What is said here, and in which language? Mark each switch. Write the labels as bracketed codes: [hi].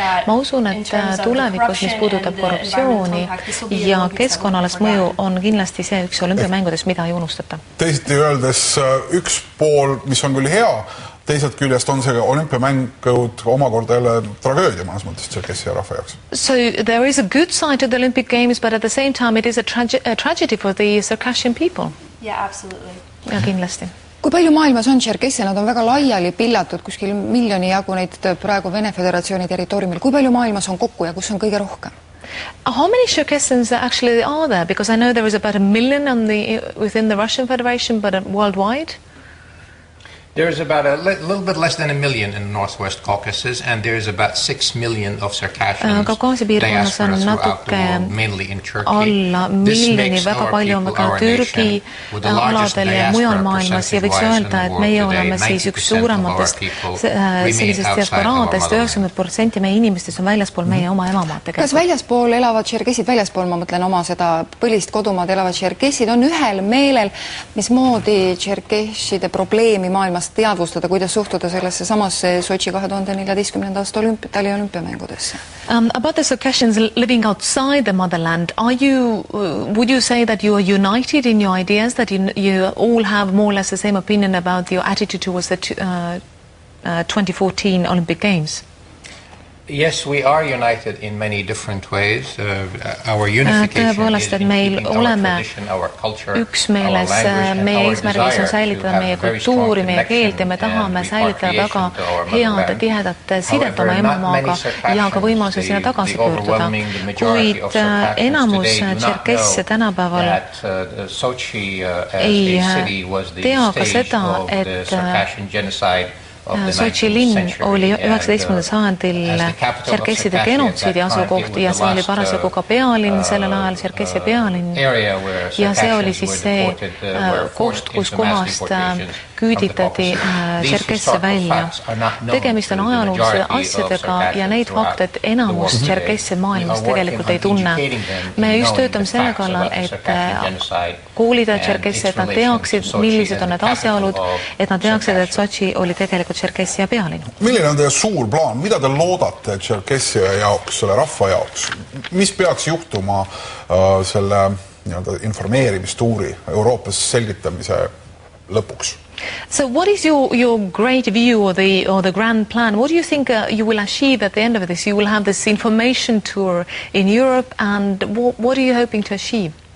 [et] Ma usun, et tulevikus, mis puudutab korruptsiooni ja keskkonnales mõju on kindlasti see üks olümpiamängudes, mida ei unustata. Teisiti öeldes üks pool, mis on küll hea, teiselt küljest on see olümpiamängud omakorda jälle tragöödia mõnes mõttes tšerkessi ja rahva jaoks. [en] So there is a good side to the Olympic Games, but at the same time it is a tragedy for the Circassian people. Yeah, absolutely. [et] Ja kindlasti. Kui palju maailmas on tšerkessi? Nad on väga laiali pillatud, kuskil miljoni jagu neid praegu Vene Föderatsiooni territooriumil. Kui palju maailmas on kokku ja kus on kõige rohkem? [en] How many Circassians actually are there? Because I know there is about a million on the, within the Russian Federation, but worldwide? There is about a little bit less than a million in the Northwest Caucasus, and there is about 6 million of Circassians diaspora throughout the world, mainly in Turkey. [et] Alla miljoni, väga palju on ka Türgi aladele ja mujal maailmas, ja võiks öelda, et meie oleme siis üks suurematest sellisest diasporaadest, 90% meie inimestest on väljaspool meie oma emamaate. Kas väljaspool elavad Circassid, väljaspool ma mõtlen oma seda põlist kodumaad elavad Circassid, on ühel meelel, mis moodi Circasside probleemi maailma teadvustada, kuidas suhtuda sellesse samasse Sochi 2014. Aasta Tali olümpiamängudesse. [en] About the Circassians living outside the motherland, would you say that you are united in your ideas, that you all have more or less the same opinion about your attitude towards the 2014 Olympic Games? Yes, we are united in many different ways. Our unification is in keeping our tradition, our culture, our language, and our desire to have a very strong connection to our motherland. However, not many Circassians, the overwhelming majority of Circassians today, do not know that Sochi as a city was the stage of the Circassian genocide. [et] Sochi linn oli 19. Sajandil Circasside genotsiidi asukoht ja see oli parasjagu ka pealinn, sellel ajal Circassia pealinn. Ja see oli siis see koht, kus kohast küüditati Circassia välja. Tegemist on ajaloolise asjadega ja neid faktid enamus Circassia maailmas tegelikult ei tunne. Me just töötame selle kallal, et koolida Circassia, et nad teaksid, millised on need asjaolud, et nad teaksid, et Sochi oli tegelikult Circassia pealinu. Milline on teie suur plaan? Mida te loodate Circassia jaoks, selle rahva jaoks? Mis peaks juhtuma selle informeerimistuuri Euroopas selgitamise lõpuks? [en] So what is your great view or the grand plan? What do you think you will achieve at the end of this? You will have this information tour in Europe and what are you hoping to achieve?